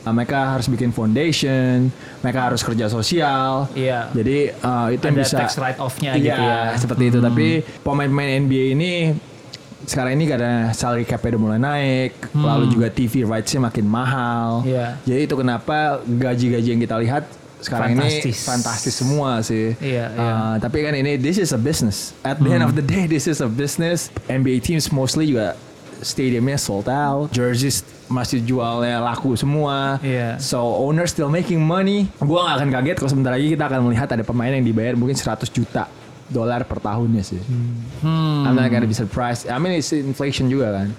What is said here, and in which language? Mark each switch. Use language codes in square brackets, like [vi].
[id] Mereka harus bikin foundation, mereka harus kerja sosial. Jadi itu ada bisa tax write-off-nya gitu ya. Seperti itu, tapi pemain-pemain NBA ini sekarang ini karena salary cap-nya udah mulai naik, lalu juga TV rights-nya makin mahal. Jadi itu kenapa gaji-gaji yang kita lihat sekarang fantastis. Ini fantastis semua sih. Tapi kan ini, [en] this is a business. At the end of the day, this is a business. NBA teams mostly [id] juga stadiumnya [en] sold out. [id] Jerseys masih jualnya laku semua. [en] So owners still making money. [id] Gua gak akan kaget kalau sebentar lagi kita akan melihat ada pemain yang dibayar mungkin 100 juta. dolar per tahunnya sih. [en] I'm not gonna be surprised. I mean it's inflation [id] juga kan.